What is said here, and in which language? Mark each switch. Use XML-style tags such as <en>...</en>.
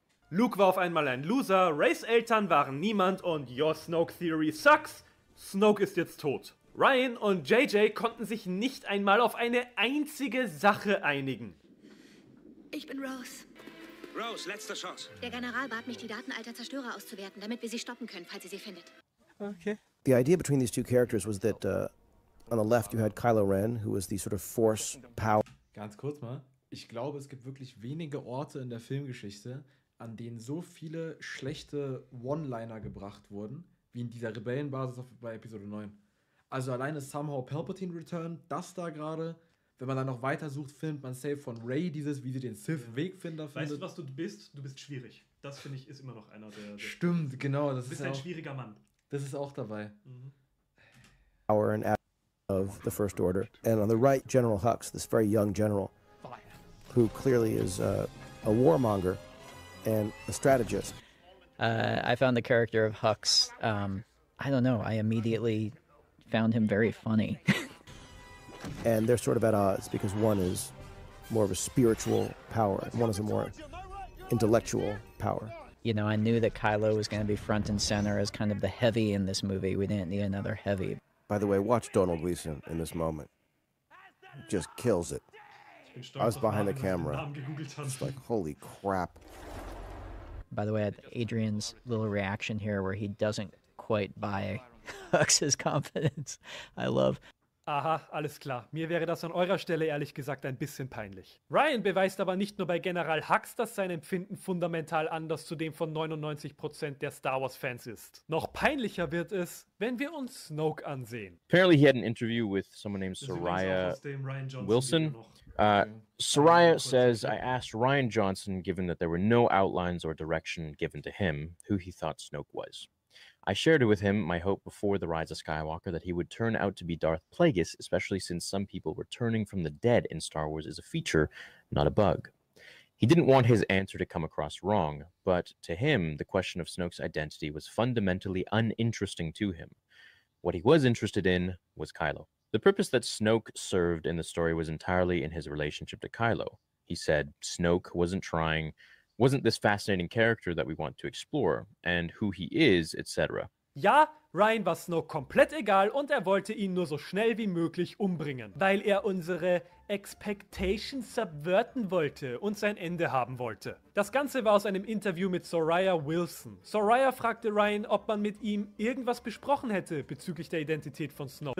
<de>Luke war auf einmal ein Loser, Rays Eltern waren niemand und</de> <en>Your Snoke Theory sucks,</en> <de>Snoke ist jetzt tot. Rian und JJ konnten sich nicht einmal auf eine einzige Sache einigen. Ich bin Rose. Rose, letzte Chance. Der General bat mich, die Daten alter Zerstörer auszuwerten, damit wir sie stoppen können, falls ihr sie findet. Okay.</de> <en>The idea between these two characters was that on the left you had Kylo Ren, who was the sort of force power.</en> <de>Ganz kurz mal. Ich glaube, es gibt wirklich wenige Orte in der Filmgeschichte, an denen so viele schlechte One-Liner gebracht wurden, wie in dieser Rebellenbasis bei Episode 9. Also alleine</de> <en>somehow</en> <de>Palpatine Return, das da gerade, wenn man dann noch weiter sucht, findet man safe von Rey dieses, wie sie den Sith Wegfinder findet. Weißt du, was du bist? Du bist schwierig. Das finde ich ist immer noch einer der. Stimmt, genau. Das du bist ist ein auch, schwieriger Mann. Das ist auch dabei.</de> <en>Power and of the First Order, and on the right General Hux, this very young general, who clearly is a warmonger and a strategist. I found the character of Hux. I don't know. I immediately found him very funny. And they're sort of at odds because one is more of a spiritual power and one is a more intellectual power. You know, I knew that Kylo was going to be front and center as kind of the heavy in this movie. We didn't need another heavy. By the way, watch Donald Gleason in this moment. Just kills it. I was behind the camera. It's like, holy crap. By the way, Adrian's little reaction here where he doesn't quite buy Hux's confidence. I love.</en> <de>Aha, alles klar. Mir wäre das an eurer Stelle ehrlich gesagt ein bisschen peinlich. Ryan beweist aber nicht nur bei General Hux, dass sein Empfinden fundamental anders zu dem von 99% der Star Wars Fans ist. Noch peinlicher wird es, wenn wir uns Snoke ansehen.</de> <en>Apparently he had an interview with someone named Soraya Wilson. Soraya says, I asked Ryan Johnson, given that there were no outlines or direction given to him, who he thought Snoke was. I shared with him my hope before The Rise of Skywalker that he would turn out to be Darth Plagueis, especially since some people returning from the dead in Star Wars is a feature, not a bug. He didn't want his answer to come across wrong, but to him, the question of Snoke's identity was fundamentally uninteresting to him. What he was interested in was Kylo. The purpose that Snoke served in the story was entirely in his relationship to Kylo. He said, Snoke wasn't trying... wasn't this fascinating character that we want to explore, and who he is, etc.</en> <de>Ja, Ryan war Snoke komplett egal und er wollte ihn nur so schnell wie möglich umbringen, weil er unsere Expectations subverten wollte und sein Ende haben wollte. Das Ganze war aus einem Interview mit Soraya Wilson. Soraya fragte Ryan, ob man mit ihm irgendwas besprochen hätte bezüglich der Identität von Snoke.</de>